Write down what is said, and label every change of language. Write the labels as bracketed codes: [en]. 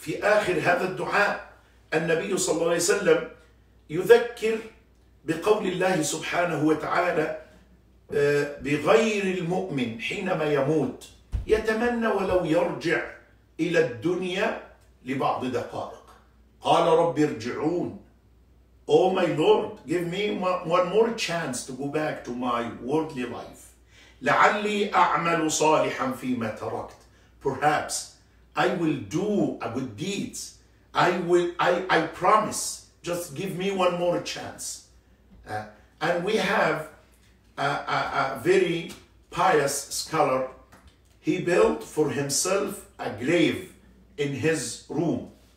[ar] في آخر هذا الدعاء النبي صلى الله عليه وسلم يذكر بقول الله سبحانه وتعالى بغير المؤمن حينما يموت يتمنى ولو يرجع إلى الدنيا لبعض دقائق. قال رب ارجعون. [en] Oh my Lord, give me one more chance to go back to my worldly life. [ar] لعلي أعمل صالحا فيما تركت. [en] Perhaps I will do a good deeds. I promise. Just give me one more chance. And we have a very pious scholar. He built for himself a grave in his room.